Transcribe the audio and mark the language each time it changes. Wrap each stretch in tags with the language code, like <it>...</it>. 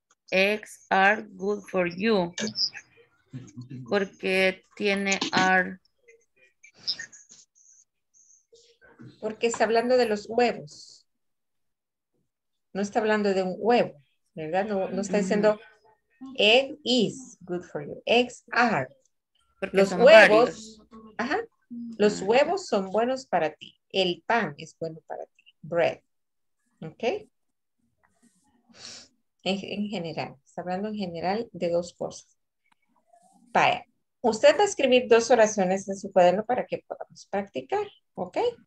<en>Eggs are good for you.</en> <es>Porque tiene ar. Porque está hablando de los huevos. No está hablando de un huevo. ¿verdad? No, no está diciendo</es> <en>egg is good for you. Eggs are.</en> <es>Porque los huevos. Ajá, los huevos son buenos para ti. El pan es bueno para ti. Bread. ¿Ok? En general. Está hablando en general de dos cosas. Vaya. Usted va a escribir dos oraciones en su cuaderno para que podamos practicar. ¿Ok?</es>